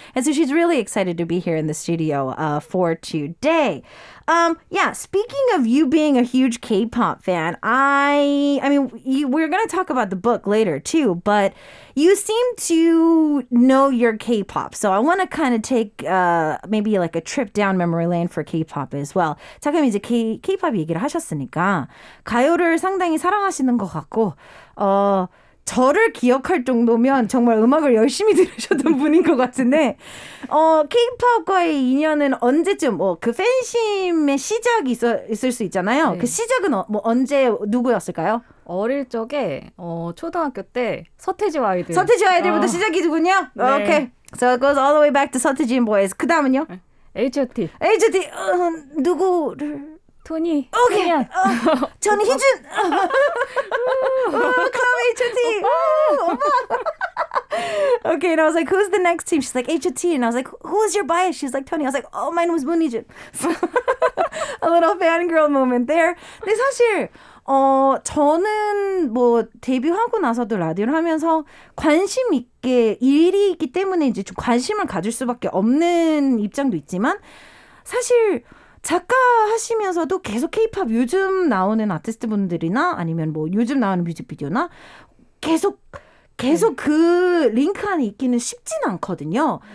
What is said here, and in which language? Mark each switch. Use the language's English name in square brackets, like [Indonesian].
[English] And so she's really excited to be here in the studio for today. Speaking of you being a huge K-pop fan, we're going to talk about the book later too, but you seem to know your K-pop. So I want to kind of take maybe like a trip down memory lane for K-pop as well. [Korean] 작가님 이제 K-pop 얘기를 하셨으니까 가요를 상당히 사랑하시는 것 같고 저를 기억할 정도면 정말 음악을 열심히 들으셨던 분인 것 같은데 K-POP과의 인연은 언제쯤 뭐 그 팬심의 시작이 있을 수 있잖아요. 네. 그 시작은 뭐 언제 누구였을까요? 어릴 적에 초등학교 때 서태지와 아이들. 서태지와 아이들부터 시작이군요. 네. [English] Okay. So it goes all the way back to 서태지 and boys. [Korean] 그 다음은요? H.O.T. H.O.T. 누구를? 토니. 오케이. 저는 희준. 클라우 H.O.T. 오빠. [English] Okay, and I was like, who's the next team? She's like, H.O.T. And I was like, who is your bias? She's like, Tony. I was like, oh, mine was Moon Hee-jun. A little fangirl moment there. [Korean] 근데 사실 저는 뭐 데뷔하고 나서도 라디오를 하면서 관심 있게 일이기 때문에 이제 좀 관심을 가질 수밖에 없는 입장도 있지만 사실 작가 하시면서도 계속 K-POP 요즘 나오는 아티스트 분들이나 아니면 뭐 요즘 나오는 뮤직비디오나 계속 그 링크 안에 있기는 쉽진 않거든요.